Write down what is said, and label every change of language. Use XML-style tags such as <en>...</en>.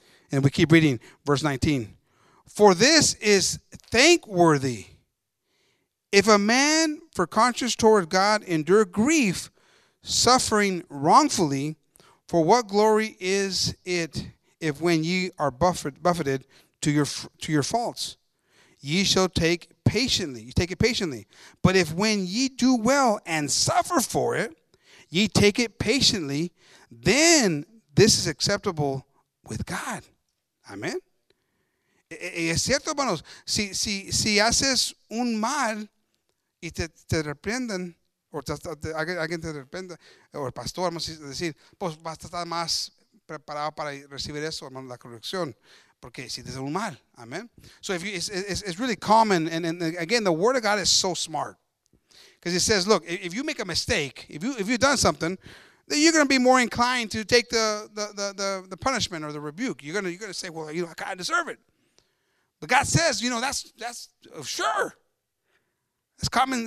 <en>And we keep reading verse 19. For this is thankworthy if a man for conscience toward God endure grief, suffering wrongfully, for what glory is it if when ye are buffeted to your faults, ye shall take patiently. You take it patiently. But if when ye do well and suffer for it, ye take it patiently, then this is acceptable with God.</en> <es>Amén. Y es cierto, hermanos, si haces un mal y te reprenden, o alguien te reprenda, o el pastor, vamos a decir, pues vas a estar más preparado para recibir eso, hermano, la corrección, porque si te hace un mal. Amén.</es> <en>So if you, it's really common, and again, the word of God is so smart, because it says, look, if you make a mistake, if you've done something, then you're going to be more inclined to take the punishment or the rebuke. You're going to say, well, you know, I kind of deserve it. But God says, you know, that's sure. It's common.</en>